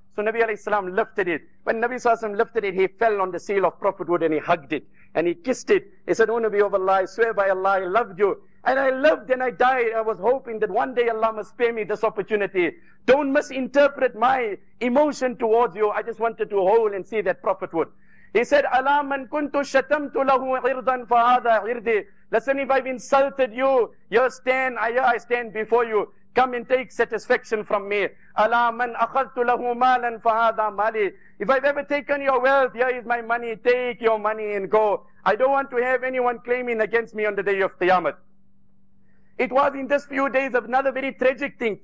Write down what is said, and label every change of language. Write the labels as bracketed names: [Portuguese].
[English] So Nabi alayhi salam lifted it. When Nabi sallallahu alayhi wa lifted it, he fell on the seal of prophethood and he hugged it. And he kissed it. He said, O Nabi of Allah, I swear by Allah, I loved you. And I loved and I died. I was hoping that one day Allah must spare me this opportunity. Don't misinterpret my emotion towards you. I just wanted to hold and see that prophethood. He said, [Arabic] أَلَا مَنْ كُنْتُ شَتَمْتُ لَهُ عِرْضًا فَهَذَا عِرْضِ. [English] Listen, if I've insulted you, I stand before you. Come and take satisfaction from me. [Arabic] أَلَا مَنْ أَخَذْتُ لَهُ مَالًا فَهَذَا مَالِ. [English] If I've ever taken your wealth, here is my money. Take your money and go. I don't want to have anyone claiming against me on the day of Qiyamah. It was in this few days of another very tragic thing.